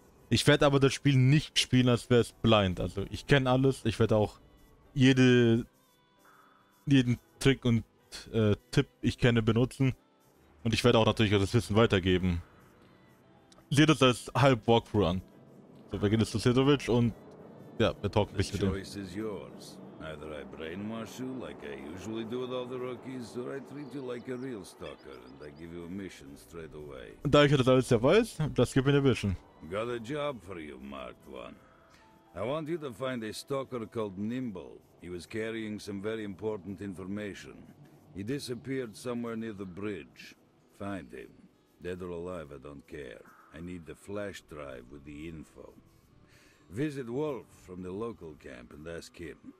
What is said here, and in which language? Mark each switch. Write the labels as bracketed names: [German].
[German] Ich werde aber das Spiel nicht spielen, als wäre es blind. Also, ich kenne alles. Ich werde auch jede jeden Trick und Tipp ich kenne benutzen. Und ich werde auch natürlich das Wissen weitergeben. Seht es als halb Walkthrough an. So, wir gehen jetzt zu Sedovic und ja, wir talken ein bisschen mit ihm. [English] Either I brainwash you, like I usually do with all the rookies, or I treat you like a real stalker and I give you a mission straight away. [German] Da ich das alles ja weiß, das gibt mir eine Mission. [English] Got a job for you, Marked One. I want you to find a stalker called Nimble. He was carrying some very important information. He disappeared somewhere near the bridge. Find him. Dead or alive, I don't care. I need the flash drive with the info. Visit Wolf from the local camp and ask him.